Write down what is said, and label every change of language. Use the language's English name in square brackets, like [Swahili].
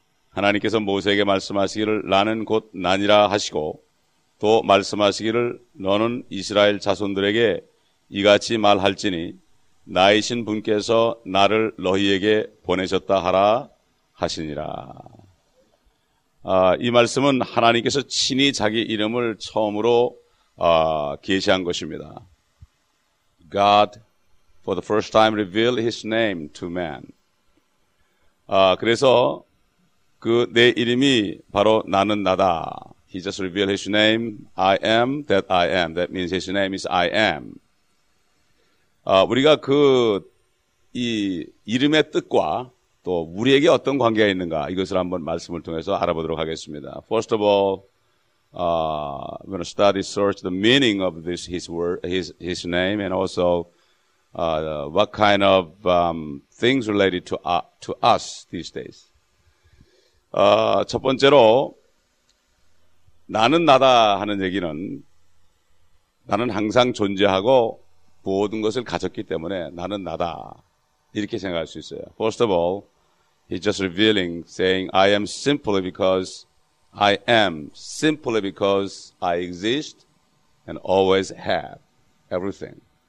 [Korean] 하나님께서 모세에게 말씀하시기를 나는 곧 나니라 하시고, 또 말씀하시기를 너는 이스라엘 자손들에게 이같이 말할지니 나이신 분께서 나를 너희에게 보내셨다 하라 하시니라. 이 말씀은 하나님께서 친히 자기 이름을 처음으로 계시한 것입니다. [English] God for the first time revealed his name to man. [Korean] 그래서 그내 이름이 바로 나는 나다. [English] He just revealed his name. I am that I am. That means his name is I am. [Korean] 우리가 이 이름의 뜻과 또 우리에게 어떤 관계가 있는가, 이것을 한번 말씀을 통해서 알아보도록 하겠습니다. [English] First of all, I'm going to study search the meaning of this his word, his name, and also what kind of things related to us these days. [Korean] 첫 번째로, 나는 나다 하는 얘기는 나는 항상 존재하고 모든 것을 가졌기 때문에 나는 나다, 이렇게 생각할 수 있어요. [English] First of all, he's just revealing, saying, I am simply because I am, simply because I exist and always have everything.